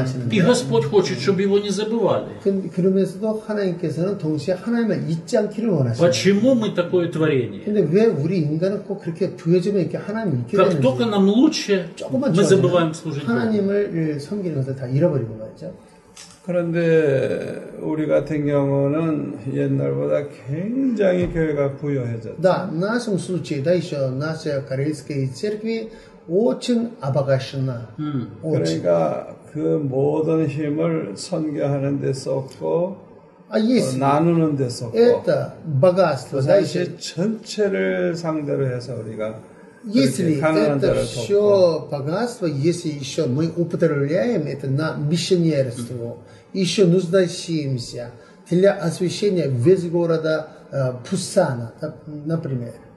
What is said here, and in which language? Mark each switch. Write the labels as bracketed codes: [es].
[ru] И Господь хочет, чтобы его не забывали. Почему мы такое творение? Как только нам лучше, мы забываем служить Богу. [ko] 그런데 우리 같은 경우는 옛날보다 굉장히 교회가 부유해졌죠. [ru] Да, нашим случае, да еще наша корейская церковь очень обогащена. [ko] 그러니까 그 모든 힘을 선교하는 데 썼고, 나누는 데 썼고. [ru] Это богатство, да еще [ko] 전체를 상대로 해서 우리가 [ru] Если это все богатство, если еще мы употребляем это на миссионерство, еще нуждающимся для освящения весь города Пусана, например.